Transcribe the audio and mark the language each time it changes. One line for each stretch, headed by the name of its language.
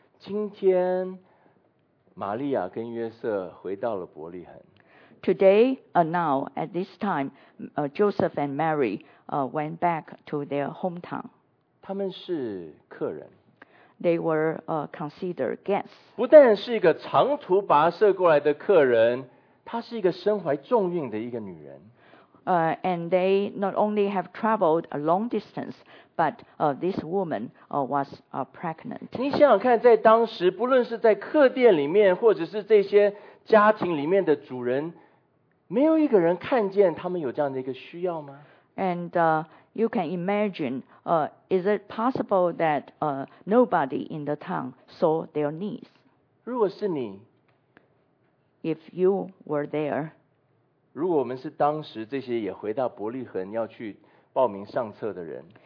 Chinese: 今天玛利亚跟约瑟回到了伯利恒。
English: Today, now, at this time, Joseph and Mary went back to their hometown.
Chinese: 他们是客人。
English: They were considered guests.
Chinese: 不但是一个长途跋涉过来的客人，她是一个身怀重孕的一个女人。
English: And they not only have traveled a long distance, but this woman was pregnant.
Chinese: 你想想看，在当时，不论是在客店里面，或者是这些家庭里面的主人，没有一个人看见他们有这样的一个需要吗？
English: And you can imagine, is it possible that nobody in the town saw their needs?
Chinese: 如果是你
English: if you were there,
Chinese: 如果我们是当时这些也回到伯利恒要去报名上册的人